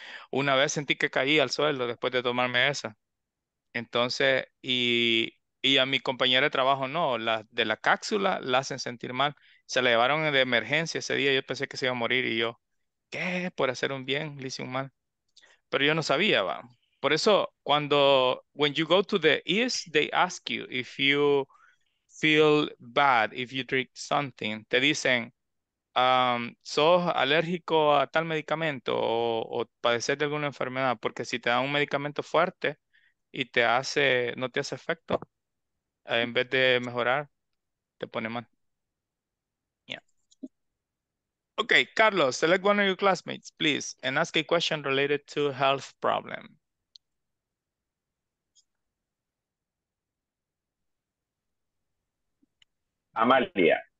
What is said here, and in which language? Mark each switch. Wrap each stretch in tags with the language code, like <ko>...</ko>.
<es>Una vez sentí que caí al suelo después de tomarme esa. Entonces, y a mi compañera de trabajo, no, la de la cápsula la hacen sentir mal. Se la llevaron de emergencia ese día, yo pensé que se iba a morir y yo, ¿qué? Por hacer un bien, le hice un mal. Pero yo no sabía, va. Por eso,</es> <en>when you go to the ISSS, they ask you if you feel bad, if you drink something.</en> <es>Te dicen, ¿sos alérgico a tal medicamento o padeces de alguna enfermedad? Porque si te dan un medicamento fuerte y no te hace efecto, en vez de mejorar, te pone mal.</es> <en>Okay, Carlos, select one of your classmates, please, and ask a question related to health problem. Amalia.</en>